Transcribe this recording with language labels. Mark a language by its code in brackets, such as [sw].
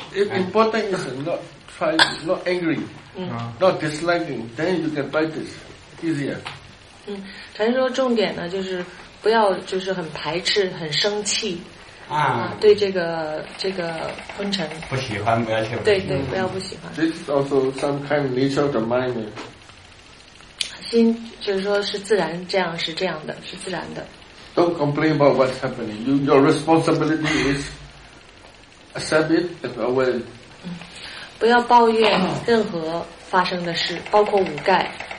[en] if important is not angry, not disliking, then you can practice easier. [zh] 禅师说重点呢，就是不要就是很排斥、很生气。啊，对这个昏沉不喜欢，不要去。对，不要不喜欢。 [en] This is also some kind of nature of the mind. [zh] 心就是说是自然，这样的。 [en] Don't complain about what's happening. Your responsibility is accept it and aware. [zh] 不要抱怨任何发生的事，包括五盖。